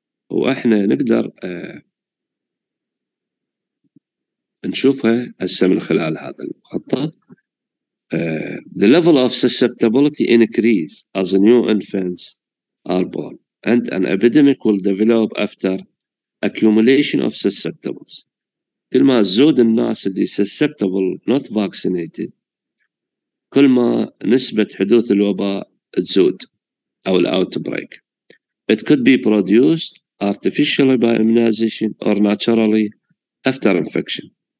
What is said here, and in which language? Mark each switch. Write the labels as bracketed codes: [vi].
[ar] وإحنا نقدر نشوفها هسه من خلال هذا المخطط. [en] The level of susceptibility increase as new infants are born and an epidemic will develop after accumulation of susceptibles. [ar] كل ما زود الناس اللي susceptible not vaccinated كل ما نسبة حدوث الوباء تزود أو الoutbreak. [en] It could be produced artificially by immunization or naturally after infection.